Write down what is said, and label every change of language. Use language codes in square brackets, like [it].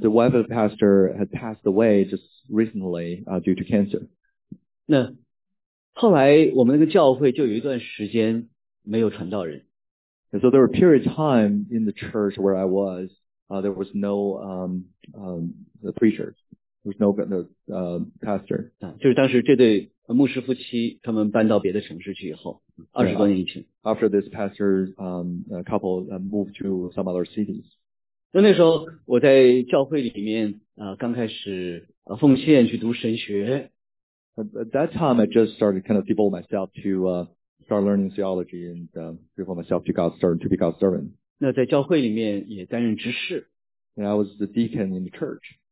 [en] the wife of the pastor had passed away just recently, due to cancer. [zh] 那后来我们那个教会就有一段时间没有传道人。And [en] so there were period of time in the church where I was, there was no, the preachers. There's no pastor. [zh] 就是当时这对牧师夫妻他们搬到别的城市去以后 20多年以前 [en] After this pastor couple moved to some other cities. [zh] 那时候我在教会里面 刚开始 奉献去读神学 [en] At that time I just started kind of devote myself to start learning theology and devote myself to God's servant, to be God's servant. [zh] 那在教会里面也担任执事 [en] And I was the deacon in the church.